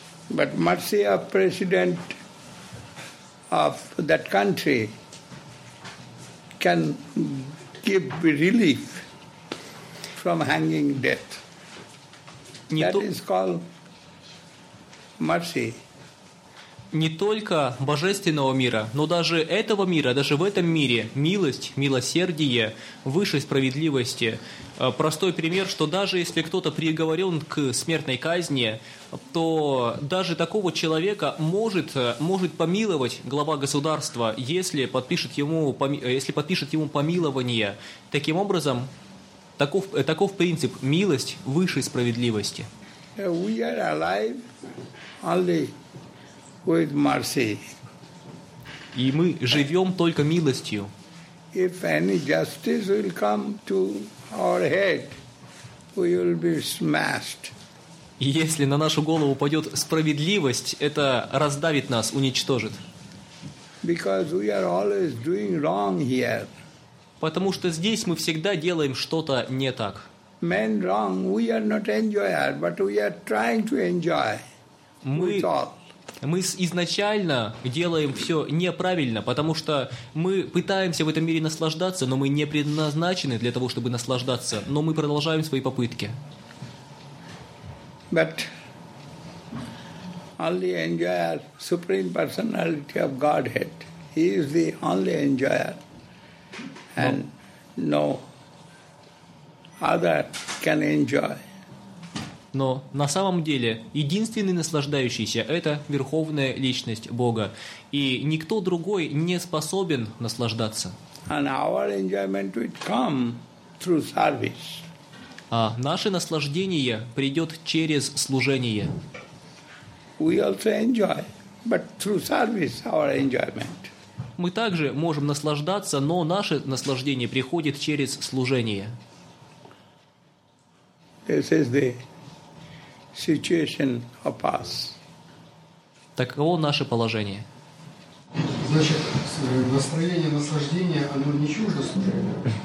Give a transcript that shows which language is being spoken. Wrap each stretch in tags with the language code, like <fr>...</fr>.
<en>But mercy of president of that country can give relief from hanging death. That is called mercy.</en> <ru>Не только божественного мира, но даже этого мира, даже в этом мире милость, милосердие, высшей справедливости. Простой пример, что даже если кто-то приговорен к смертной казни, то даже такого человека может помиловать глава государства, если подпишет ему помилование. Таким образом, таков принцип милость высшей справедливости.</ru> <en>We are alive only with mercy.</en> <ru>И мы живем только милостью.</ru> <en>If any justice will come to our head, we will be smashed.</en> <ru>Если на нашу голову упадет справедливость, это раздавит нас, уничтожит.</ru> <en>Because we are always doing wrong here.</en> <ru>Потому что здесь мы всегда делаем что-то не так.</ru> <en>Men wrong, we are not enjoyers, but we are trying to enjoy.</en> <ru>Мы изначально делаем все неправильно, потому что мы пытаемся в этом мире наслаждаться, но мы не предназначены для того, чтобы наслаждаться, но мы продолжаем свои попытки.</ru> <en>But only enjoyer, Supreme Personality of Godhead, he is the only enjoyer, and no other can enjoy.</en> <ru>Но на самом деле единственный наслаждающийся – это Верховная Личность Бога. И никто другой не способен наслаждаться.</ru> <en>And our enjoyment will come through service.</en> <ru>А наше наслаждение придет через служение.</ru> <en>We also enjoy, but through service our enjoyment.</en> <ru>Мы также можем наслаждаться, но наше наслаждение приходит через служение.</ru> <en>This is the situation of us.</en> <ru>Таково наше положение. Значит, настроение, наслаждение, оно не чуждо служению.</ru>